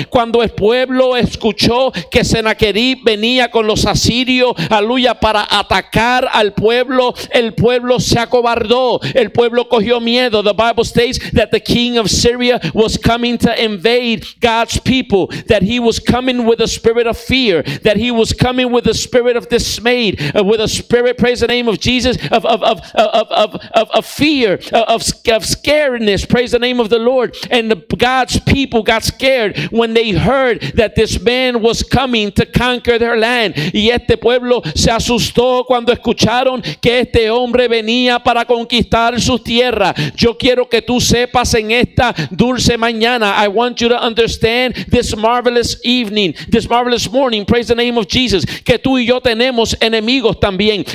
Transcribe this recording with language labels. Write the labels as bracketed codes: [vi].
[es] Cuando el pueblo escuchó que Sennacherib venía con los asirios, aleluya, para atacar al pueblo, el pueblo se acobardó, el pueblo cogió miedo. [en] The Bible states that the king of Syria was coming to invade God's people, that he was coming with a spirit of fear, that he was coming with a spirit of dismay, with a spirit, praise the name of Jesus, of fear, of scaredness, praise the name of the Lord. And God's people got scared when they heard that this man was coming to conquer their land. [es] Y este pueblo se asustó cuando escucharon que este hombre venía para conquistar sus tierras. Yo quiero que tú sepas en esta dulce mañana, [en] I want you to understand this marvelous evening, this marvelous morning, praise the name of Jesus, [es] que tú y yo tenemos enemigos también,